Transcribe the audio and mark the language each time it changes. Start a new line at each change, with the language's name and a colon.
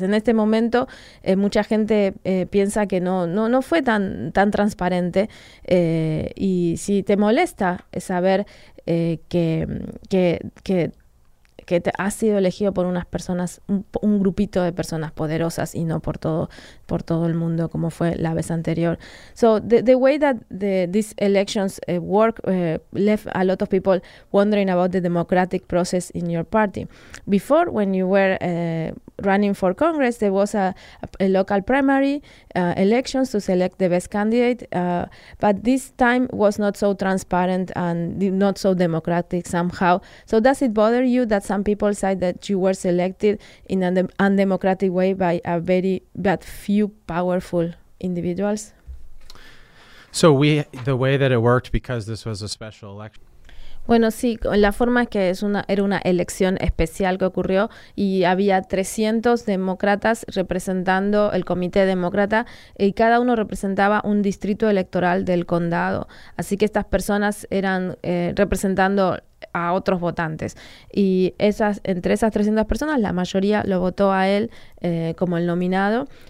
Spanish: En este momento, mucha gente piensa que no fue tan transparente, y si te molesta saber que te has sido elegido por unas personas, un grupito de personas poderosas, y no por todo el mundo como fue la vez anterior.
English: So the way that these elections work left a lot of people wondering about the democratic process in your party. Before, when you were running for Congress, there was a local primary elections to select the best candidate, but this time was not so transparent and not so democratic somehow. So does it bother you that some people say that you were selected in an undemocratic way by a very bad few powerful individuals? So the way that it worked, because this was a special election.
Spanish: Bueno, sí, la forma es que era una elección especial que ocurrió, y había 300 demócratas representando el comité demócrata, y cada uno representaba un distrito electoral del condado. Así que estas personas eran representando a otros votantes. Y entre esas 300 personas, la mayoría lo votó a él como el nominado.